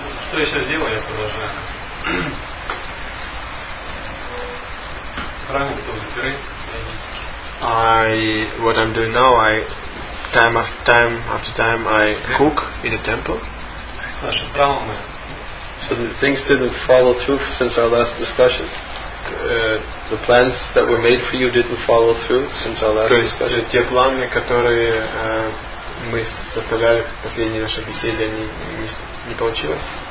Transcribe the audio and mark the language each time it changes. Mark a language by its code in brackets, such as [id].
[ru] Что еще сделаю, я продолжаю. [en] What I'm doing now, I time after time I cook in a temple. So the things didn't follow through since our last discussion. The plans that were made for you didn't follow through since our last discussion. [ru] Те планы, которые мы составляли в последней нашей беседе, не получилось.